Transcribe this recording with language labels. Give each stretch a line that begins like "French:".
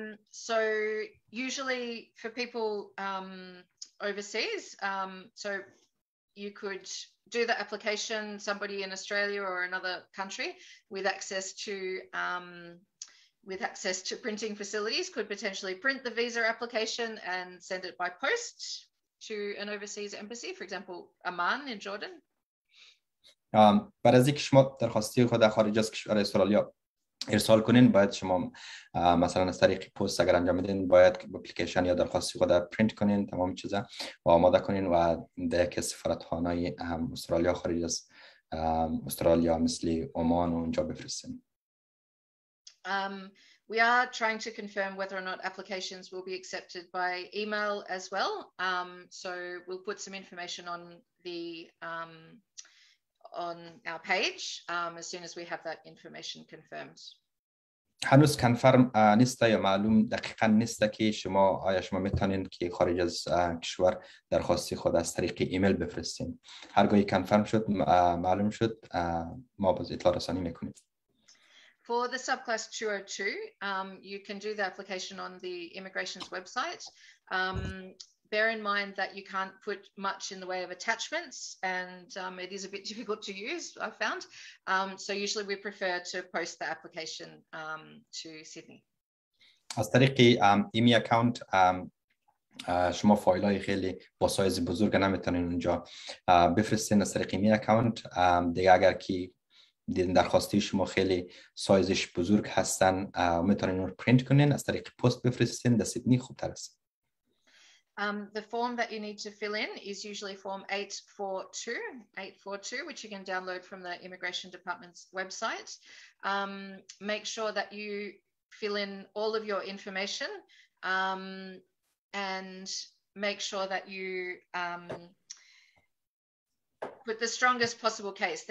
English: So usually for people overseas, so you could do the application, somebody in Australia or another country with access to printing facilities could potentially print the visa application and send it by post to an overseas embassy, for example, Amman in Jordan.
Persian: برای اینکه شما درخواستی خود خارج از کشور استرالیا ارسال کنین باید شما مثلا از طریق پست اگر انجام میدین باید اپلیکیشن یا درخواست خود را پرینت کنین تمام چیزا و آماده کنین و در یک سفارتخانه استرالیا خارج از استرالیا مثل عمان اونجا بفرستین.
English: We are trying to confirm whether or not applications will be accepted by email as well. So we'll put some information on the on our page as soon as we have that information confirmed.
Persian: هنوز کنفرم نیست یا معلوم دقیقا نیست که شما آیا شما میتونین که خارج از کشور درخواستی خود از طریق ایمیل بفرستین. هرگاهی کنفرم شد معلوم شد ما باز اطلاع رسانی میکنیم.
English: For the subclass 202, you can do the application on the immigration's website. Bear in mind that you can't put much in the way of attachments and it is a bit difficult to use, I've found. So usually we prefer to post the application to Sydney.
Persian: از طریق ایمی اکاونت شما فایل های خیلی با سایز بزرگ نمیتونین اونجا بفرستین. از طریق ایمی اکاونت دیگه اگر که دیدن درخواستی شما خیلی سایزش بزرگ هستن میتونین اون رو پرینت کنین از طریق پست بفرستین در سیدنی خوبتر است.
English: The form that you need to fill in is usually form 842, which you can download from the Immigration Department's website. Make sure that you fill in all of your information and make sure that you put the strongest possible case.